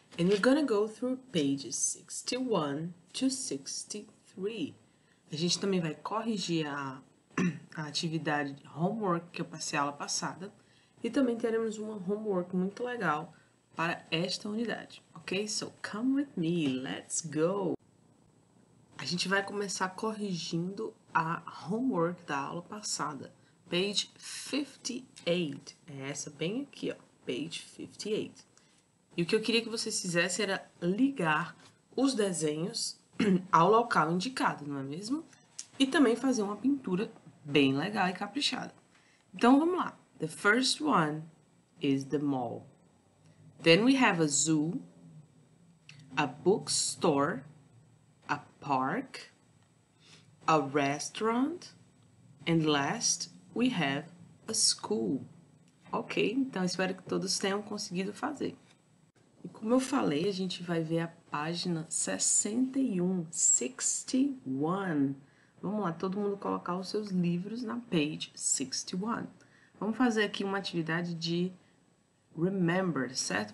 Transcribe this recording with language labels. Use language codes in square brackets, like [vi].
[en] And we're gonna go through pages 61 to 63. [pt] A gente também vai corrigir a atividade de homework que eu passei a aula passada. E também teremos uma homework muito legal para esta unidade. [en] Ok, so come with me, let's go. [pt] A gente vai começar corrigindo a homework da aula passada. Page 58. É essa bem aqui, ó. Page 58. E o que eu queria que vocês fizessem era ligar os desenhos ao local indicado, não é mesmo? E também fazer uma pintura bem legal e caprichada. Então, vamos lá. [en] The first one is the mall. Then we have a zoo, a bookstore, a park, a restaurant, and last, we have a school. [pt] Ok, então espero que todos tenham conseguido fazer. E como eu falei, a gente vai ver a página 61, 61. Vamos lá, todo mundo colocar os seus livros na page 61. Vamos fazer aqui uma atividade de remember, certo?